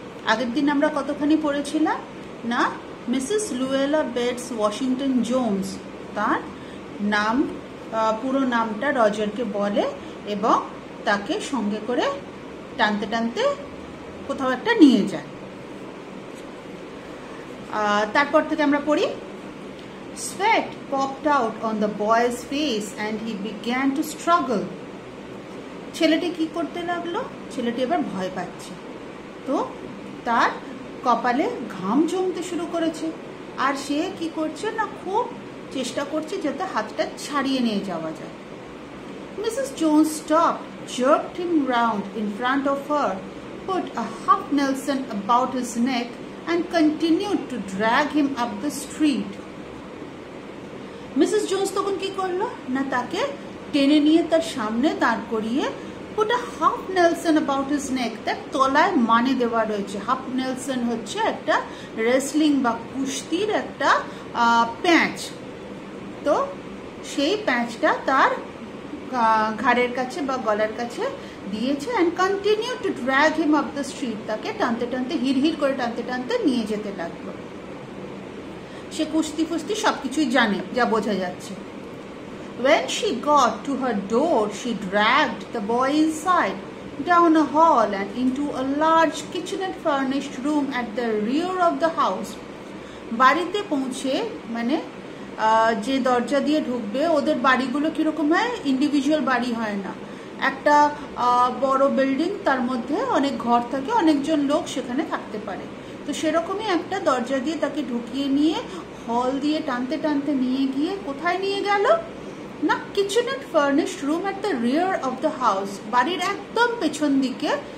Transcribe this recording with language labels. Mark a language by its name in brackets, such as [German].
[Bangla] আগের দিন আমরা কতখানি পড়েছিলাম না, Mrs Luella Bates Washington Jones, তার নাম পুরো নামটা রজারকে বলে এবং তাকে সঙ্গে করে টানতে টানতে কোথাও একটা নিয়ে যায়। তারপর থেকে আমরা পড়ি। [English] Sweat popped out on the boy's face and he began to struggle. [Bangla] ছেলেটি কি করতে লাগলো? ছেলেটি এবার ভয় পাচ্ছে, তো তার কপালে ঘাম জমতে শুরু করেছে। আর সে কি করছে না, খুব চেষ্টা করছে যাতে হাতটা ছাড়িয়ে নিয়ে যাওয়া যায়। [English] Mrs Jones stopped, jerked him round in front of her, put a half nelson about his neck and continued to drag him up the street. [Bangla] Mrs Jones তখন কি করলো না, তাকে টেনে নিয়ে তার সামনে দাঁড় করিয়ে [English] put a half nelson about his neck, [Bangla] তার তলায় মানে দেওয়া রয়েছে। হাফ নেলসন হচ্ছে একটা রেসলিং বা কুস্তির একটা প্যাঁচ, তো সেই প্যাঁচটা তার ঘাড়ের কাছে বা গলার কাছে দিয়েছে। [English] and continue to drag him up the street, [Bangla] তাকে টানতে টানতে, হিড়হিড় করে টানতে টানতে নিয়ে যেতে লাগলো। সে কুস্তি ফুস্তি সব কিছুই জানে, যা বোঝা যাচ্ছে। [English] When she got to her door, she dragged the boy inside, down a hall and into a large kitchenette furnished room at the rear of the house. [Bangla] বাড়িতে পৌঁছে, মানে যে দরজা দিয়ে ঢুকবে, ওদের বাড়িগুলো কিরকম হয়, ইন্ডিভিজুয়াল বাড়ি হয় না, একটা বড় বিল্ডিং, তার মধ্যে অনেক ঘর থাকে, অনেকজন লোক সেখানে থাকতে পারে, তো সেরকমই একটা দরজা দিয়ে তাকে ঢুকিয়ে নিয়ে হল দিয়ে টানতে টানতে নিয়ে গিয়ে কোথায় নিয়ে গেল না, [English] kitchen and furnished room at the rear of the house, [Bangla] বাড়ির একদম পেছন দিকে